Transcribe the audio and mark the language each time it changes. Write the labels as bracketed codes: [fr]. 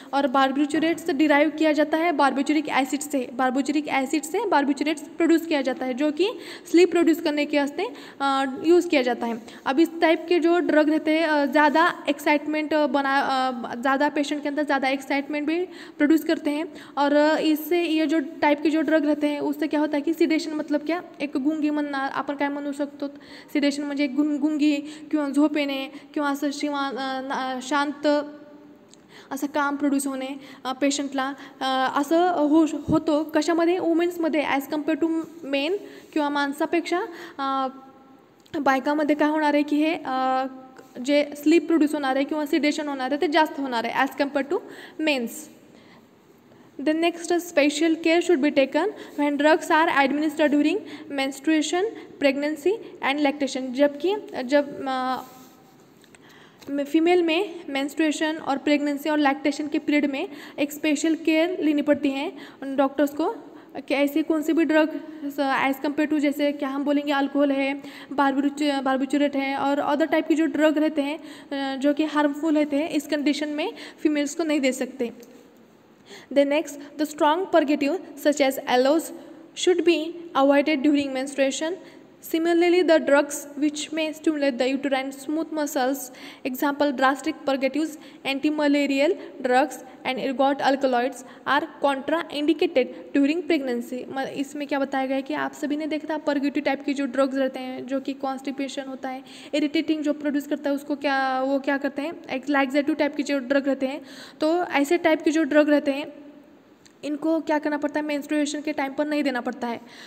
[hi] और बारब्यूट्यूरेट्स डिराइव किया जाता है बारब्यूट्यूरिक एसिड से, बारब्यूट्यूरेट्स प्रोड्यूस किया जाता है जो कि स्लीप प्रोड्यूस करने के वास्ते यूज़ किया जाता है. अब इस टाइप के जो ड्रग रहते हैं ज़्यादा एक्साइटमेंट बना, ज़्यादा पेशेंट के अंदर ज़्यादा एक्साइटमेंट भी प्रोड्यूस करते हैं. और इससे ये जो टाइप के जो ड्रग रहते हैं उससे क्या होता है कि सिडेशन, मतलब क्या एक गुंगी [mr] म्हणणं आपण काय म्हणू शकतो, सिडेशन म्हणजे एक गुंगी किंवा झोप येणे किंवा असं शिवा शांत असं काम प्रोड्यूस होणे पेशंटला असं होतो. कशामध्ये, वुमेन्समध्ये [en] as compare to men, [mr] किंवा माणसापेक्षा बायकामध्ये काय होणार आहे की हे जे स्लीप प्रोड्यूस होणार आहे किंवा सिडेशन होणार आहे ते जास्त होणार आहे [en] As compare to mens. The next, special care should be taken when drugs are administered during menstruation, pregnancy and lactation. [hi] जबकि जब फीमेल में मेन्स्ट्रुएशन और प्रेग्नन्सी और लॅक्टेशन के पीरियड में एक स्पेशल केअर लिनी पडती है डॉक्टर्स को, कि ऐसे कौन से भी ड्रग [en] as compared to [hi] जैसे क्या हम बोलेंगे अल्कोहल है, बारब्यूट्यूरेट है और अदर टाइप की जो ड्रग रहते हैं जो कि हार्मफुल रहते हैं, इस कंडीशन में फीमेल्स को नहीं दे सकते. [en] The next, the strong purgative such as aloes should be avoided during menstruation. Similarly, the drugs which may stimulate the uterine smooth muscles, example drastic purgatives, anti-malarial drugs and ergot alkaloids are contraindicated during pregnancy. [hi] इसमें क्या बताया गया है कि आप सभी ने देखा था purgative type की जो drugs रहते हैं जो कि constipation होता है, irritating जो produce करता है उसको क्या वो क्या करते हैं, एक laxative type की जो drug रहते हैं, तो ऐसे type की जो drug रहते हैं इनको क्या करना पड़ता है, मेंस्ट्रुएशन के टाइम पर नहीं देना पड़ता है.